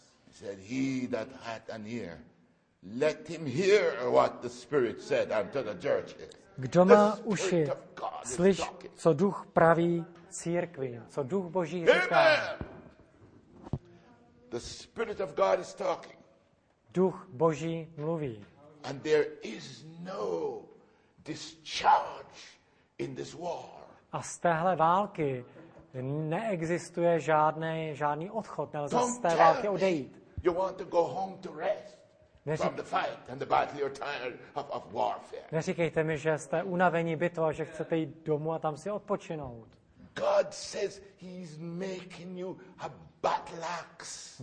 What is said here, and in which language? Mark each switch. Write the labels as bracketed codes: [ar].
[en] Said he that hath an ear, let him hear what the Spirit said unto the churches. [cs] Kdo má uši, slyš, co duch praví církvi, co duch Boží říká. [en] The Spirit of God is talking. [cs] Duch Boží mluví. [en] And there is no discharge in this war. [cs] A z téhle války neexistuje žádný odchod, nelze z té války odejít. [en] You want to go home to rest. From the fight and the battle, you're tired of warfare. [cs] Neříkejte mi, že jste unavení bitvou, že chcete jít domů a tam si odpočinout. [en] God says he's making you a battle axe.